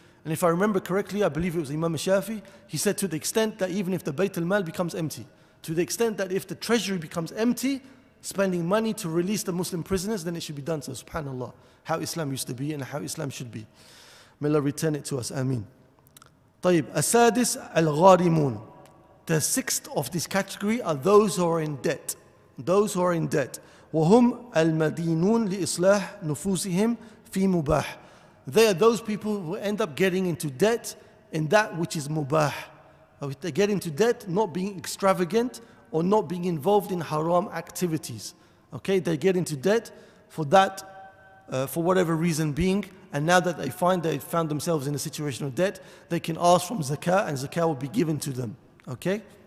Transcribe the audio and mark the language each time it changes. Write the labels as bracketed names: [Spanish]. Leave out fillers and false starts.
[English] And if I remember correctly, I believe it was Imam Shafi, he said to the extent that even if the Bayt al-Mal becomes empty, to the extent that if the treasury becomes empty, spending money to release the Muslim prisoners, then it should be done. So subhanAllah, how Islam used to be and how Islam should be. May Allah return it to us. [Arabic] Ameen. طيب. السادس الغارمون. [English] The sixth of this category are those who are in debt. Those who are in debt. [Arabic] وهم المدينون لإصلاح نفوسهم في مباح. [English] They are those people who end up getting into debt in that which is mubah. They get into debt not being extravagant or not being involved in haram activities. Okay, they get into debt for that, for whatever reason being, and now that they found themselves in a situation of debt, they can ask from zakah and zakah will be given to them. Okay?